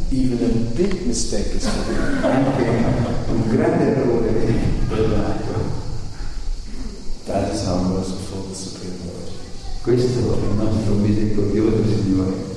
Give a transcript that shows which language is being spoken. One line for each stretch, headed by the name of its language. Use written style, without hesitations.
English: even a big mistake is forgiven.
Italian: Anche un grande errore è perdonato.
English: That is how merciful the Supreme Lord is.
Italian: Questo è il nostro misericordioso Signore.